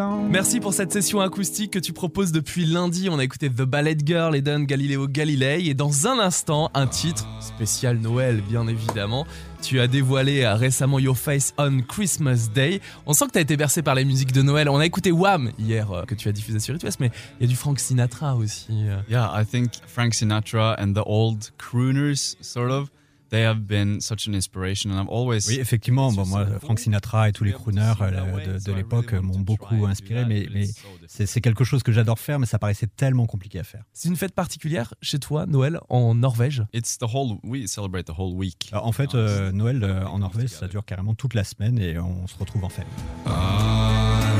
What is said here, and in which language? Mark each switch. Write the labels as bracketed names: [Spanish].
[French] Merci pour cette session acoustique que tu proposes depuis lundi. On a écouté The Ballet Girl et Don Galileo Galilei. Et dans un instant, un titre spécial Noël, bien évidemment. Tu as dévoilé récemment Your Face on Christmas Day. On sent que tu as été bercé par les musiques de Noël. On a écouté Wham hier, que tu as diffusé sur iTunes, mais il y a du Frank Sinatra aussi. [English] Yeah, I think Frank Sinatra and the old crooners, sort of. They have been such an inspiration, and I've always. [French] Oui, effectivement. Bon, moi, Frank Sinatra et tous les crooners de l'époque m'ont beaucoup inspiré, mais c'est quelque chose que j'adore faire, mais ça paraissait tellement compliqué à faire. C'est une fête particulière chez toi, Noël, en Norvège. [English] It's the whole. We celebrate the whole week. [French] En fait, Noël en Norvège, ça dure carrément toute la semaine et on se retrouve en famille.